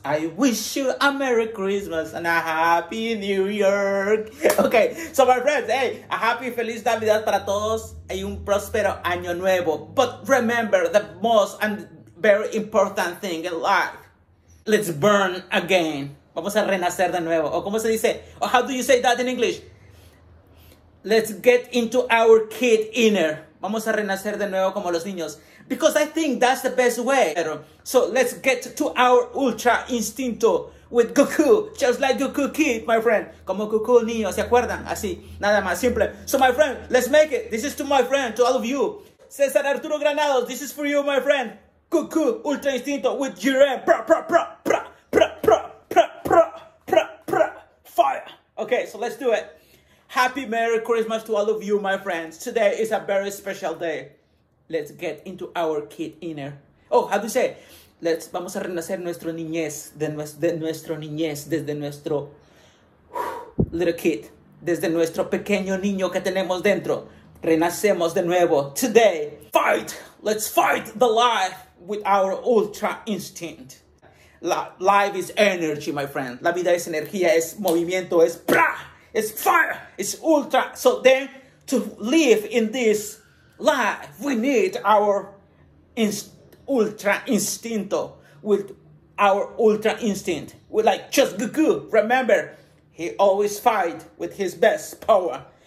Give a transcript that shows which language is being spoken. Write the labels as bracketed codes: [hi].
[en] I wish you a Merry Christmas and a Happy New Year. Okay, so my friends, hey, a happy [es] Feliz Navidad para todos y un próspero año nuevo. But remember the most and very important thing in life. [en] Let's burn again. [es] Vamos a renacer de nuevo. ¿O cómo se dice? [en] ¿O how do you say that in English? Let's get into our kid inner. [es] Vamos a renacer de nuevo como los niños. [en] Because I think that's the best way. So let's get to our ultra instinto with Goku. Just like Goku kid, my friend. [es] Como Goku niño, ¿se acuerdan? Así, nada más, simple. [en] So my friend, let's make it. This is to my friend, to all of you. César Arturo Granados, this is for you, my friend. Goku ultra instinto with Jiren. Pra, pra, pra, pra, pra, pra, pra, pra, pra, pra. Fire. Okay, so let's do it. Happy Merry Christmas to all of you, my friends. Today is a very special day. Let's get into our kid inner. Oh, how do you say? [es] Let's, vamos a renacer nuestro niñez, de nuestro niñez, desde nuestro [en] little kid, [es] desde nuestro pequeño niño que tenemos dentro. Renacemos de nuevo. [en] Today, fight. Let's fight the life with our ultra instinct. Life is energy, my friend. [es] La vida es energía, es movimiento, es pra. [en] It's fire, it's ultra. So then, to live in this life, we need our ultra instinto with our ultra instinct. We're like just Goku. Remember, he always fight with his best power.